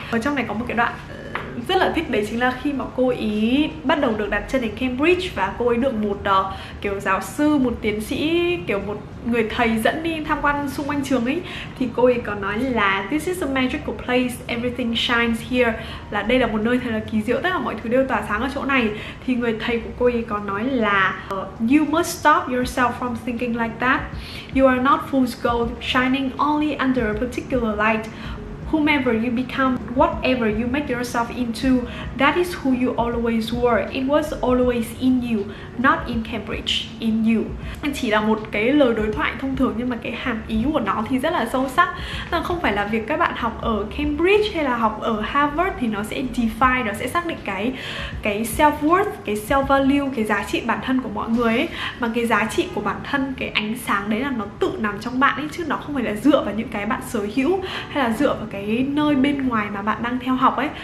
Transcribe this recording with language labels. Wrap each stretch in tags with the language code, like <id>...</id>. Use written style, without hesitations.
<vi>Ở trong này có một cái đoạn rất là thích, đấy chính là khi mà cô ý bắt đầu được đặt chân đến Cambridge và cô ấy được một kiểu giáo sư, một tiến sĩ, kiểu một người thầy dẫn đi tham quan xung quanh trường ấy. Thì cô ấy có nói là "This is a magical place, everything shines here", là đây là một nơi thật là kỳ diệu, tất cả mọi thứ đều tỏa sáng ở chỗ này. Thì người thầy của cô ấy có nói là "You must stop yourself from thinking like that.</vi> <en>You are not fool's gold, shining only under a particular light. Whomever you become, whatever you make yourself into, that is who you always were. It was always in you, not in Cambridge, in you."</en> <vi>Chỉ là một cái lời đối thoại thông thường nhưng mà cái hàm ý của nó thì rất là sâu sắc. Là không phải là việc các bạn học ở Cambridge hay là học ở Harvard thì nó sẽ define, nó sẽ xác định cái self-worth, cái self-value, cái giá trị bản thân của mọi người ấy. Mà cái giá trị của bản thân, cái ánh sáng đấy là nó tự nằm trong bạn ấy, chứ nó không phải là dựa vào những cái bạn sở hữu hay là dựa vào cái nơi bên ngoài mà bạn đang theo học ấy.</vi>